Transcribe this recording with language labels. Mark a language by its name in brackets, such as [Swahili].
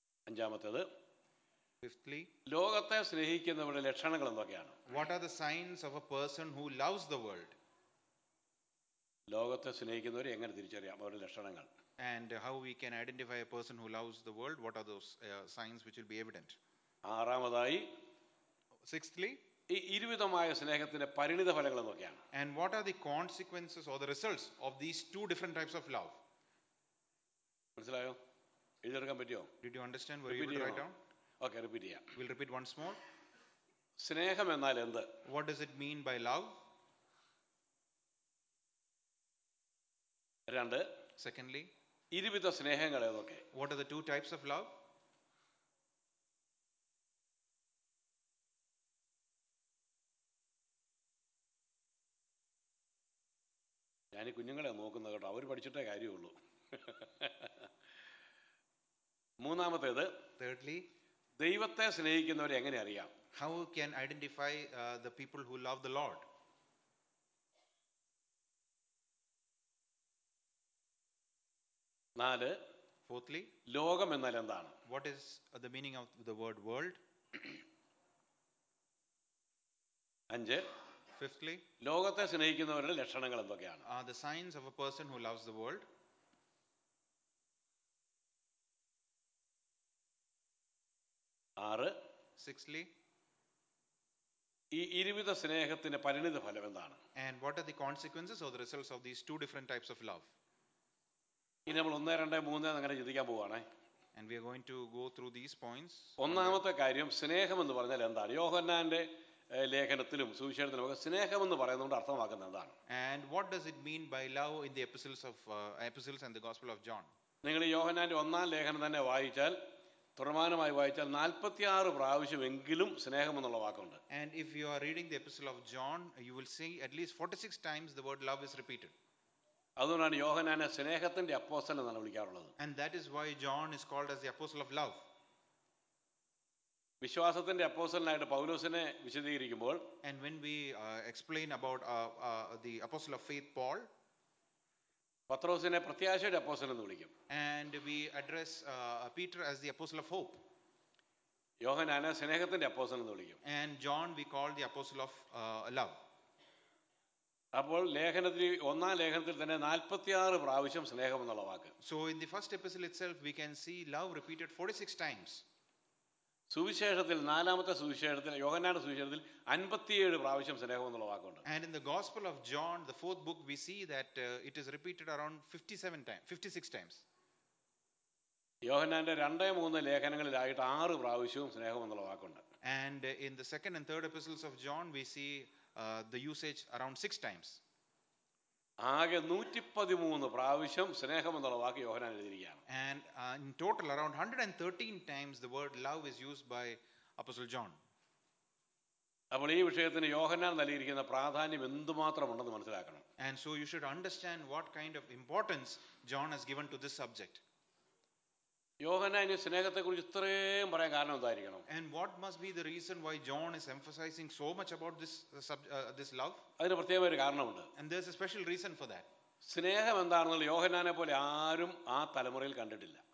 [Malayalam] അഞ്ചാമത്തേത്, [English] fifthly, [Malayalam] ലോകത്തെ സ്നേഹിക്കുന്നവരുടെ ലക്ഷണങ്ങൾ എന്തൊക്കെയാണ്? [English] What are the signs of a person who loves the world? [Malayalam] ലോകത്തെ സ്നേഹിക്കുന്നവരെ എങ്ങനെ തിരിച്ചറിയാം അവരുടെ ലക്ഷണങ്ങൾ? [English] And how we can identify a person who loves the world? What are those signs which will be evident? [Malayalam] ആറാമതായി, [English] sixthly, [Malayalam] ഈ ഇരുവിധമായ സ്നേഹത്തിന്റെ പരിണിത ഫലങ്ങൾ എന്തൊക്കെയാണ്? [English] And what are the consequences or the results of these two different types of love? [Malayalam] മനസ്സിലായോ? എഴുതിയെടുക്കാൻ പറ്റിയോ? [English] Did you understand? Were you able to write down? Okay, repeat it. We'll repeat once more. [Malayalam] സ്നേഹം എന്നാൽ എന്ത്? [English] What does it mean by love? [Malayalam] രണ്ട്, [English] secondly, [Malayalam] ഇരുവിധ സ്നേഹങ്ങൾ ഏതൊക്കെ? [English] What are the two types of love? [Malayalam] ഞാൻ ഈ കുഞ്ഞുങ്ങളെ നോക്കുന്നത് കേട്ടോ, അവർ പഠിച്ചിട്ടേ കാര്യമുള്ളൂ. മൂന്നാമത്തേത്, [English] thirdly, [Malayalam] ദൈവത്തെ സ്നേഹിക്കുന്നവർ എങ്ങനെ അറിയാം? [English] How can identify the people who love the Lord? [Malayalam] നാല്, [English] fourthly, [Malayalam] ലോകം എന്നാൽ എന്താണ്? [English] What is the meaning of the word world? [Malayalam] അഞ്ച്, [English] fifthly, [Malayalam] ലോകത്തെ സ്നേഹിക്കുന്നവരുടെ ലക്ഷണങ്ങൾ എന്തൊക്കെയാണ്? [English] Are the signs of a person who loves the world. [Malayalam] ആറ്, [English] sixthly, [Malayalam] ഈ ഇരുവിധ സ്നേഹത്തിന്റെ പരിണിത ഫലം എന്താണ്? [English] And what are the consequences or the results of these two different types of love? [Malayalam] ഇനി നമ്മൾ 1 2 3 അങ്ങനെ ചിന്തിക്കാൻ പോവാണ്. [English] And we are going to go through these points. [Malayalam] ഒന്നാമത്തെ കാര്യം, സ്നേഹം എന്ന് പറഞ്ഞാൽ എന്താണ്? യോഹന്നാന്റെ ലേഖനത്തിലും സുവിശേഷത്തിലും ഒക്കെ സ്നേഹം എന്ന് പറയുന്നതുകൊണ്ട് അർത്ഥമാക്കുന്നത് എന്താണ്? [English] And what does it mean by love in the epistles and the gospel of John? [Malayalam] നിങ്ങൾ യോഹന്നാന്റെ ഒന്നാം ലേഖനം തന്നെ വായിച്ചാൽ, പ്രമാണമായി വായിച്ചാൽ 46 പ്രാവശ്യം എങ്കിലും സ്നേഹം എന്നുള്ള വാക്കുണ്ട്. [English] And if you are reading the epistle of John, you will see at least 46 times the word love is repeated. [Malayalam] അതുകൊണ്ടാണ് യോഹന്നാനെ സ്നേഹത്തിന്റെ അപ്പോസ്തലൻ എന്നാണ് വിളിക്കാറുള്ളത്. [English] And that is why John is called as the apostle of love. [Malayalam] വിശ്വാസത്തിന്റെ അപ്പോസ്തലനായിട്ട് പൗലോസിനെ വിശദീകരിക്കുമ്പോൾ, [English] And when we explain about the apostle of faith Paul, [Malayalam] പത്രോസിനെ പ്രത്യാശയുടെ അപ്പോസ്തലൻ എന്ന് വിളിക്കും. [English] And we address Peter as the apostle of hope. [Malayalam] യോഹന്നാനെ സ്നേഹത്തിന്റെ അപ്പോസ്തലൻ എന്ന് വിളിക്കും. [English] And John we call the apostle of love. [Malayalam] അപ്പോൾ ലേഖനത്തിൽ, ഒന്നാം ലേഖനത്തിൽ തന്നെ 46 പ്രാവശ്യം സ്നേഹം എന്നുള്ള വാക്ക്. [English] So in the first epistle itself we can see love repeated 46 times. [Malayalam] സുവിശേഷത്തിൽ, നാലാമത്തെ സുവിശേഷത്തിൽ, യോഹന്നാന്റെ സുവിശേഷത്തിൽ 57 പ്രാവശ്യം സ്നേഹം എന്നുള്ള വാക്കുണ്ട്. [English] And in the gospel of John the fourth book we see that it is repeated around 56 times. [Malayalam] യോഹന്നാന്റെ രണ്ടേ മൂന്ന് ലേഖനങ്ങളിലായിട്ട് 6 പ്രാവശ്യം സ്നേഹം എന്നുള്ള വാക്കുണ്ട്. [English] And in the second and third epistles of John we see the usage around 6 times. [Malayalam] ആകെ 113 പ്രാവശ്യം സ്നേഹം എന്നുള്ള വാക്ക് യോഹന്നാൻ എഴുതിയിരിക്കുകയാണ്. [English] And in total around 113 times the word love is used by apostle John. [Malayalam] അപ്പോൾ ഈ വിഷയത്തിന് യോഹന്നാൻ നൽകിയിരിക്കുന്ന പ്രാധാന്യം എന്തുമാത്രം ഉണ്ടെന്ന് മനസ്സിലാക്കണം. [English] And so you should understand what kind of importance John has given to this subject. [Malayalam] യോഹന്നാനെ സ്നേഹത്തെ കുറിച്ച് ഇത്രയും പറയാൻ കാരണം എന്തായിരിക്കണം? [English] And what must be the reason why John is emphasizing so much about this this love? [Malayalam] അതിന് പ്രത്യേകമായ ഒരു കാരണമുണ്ട്. [English] And there's a special reason for that. [Malayalam] സ്നേഹം എന്താണെന്നുള്ള യോഹന്നാനെ പോലെ ആരും ആ തലമുറയിൽ കണ്ടിട്ടില്ല.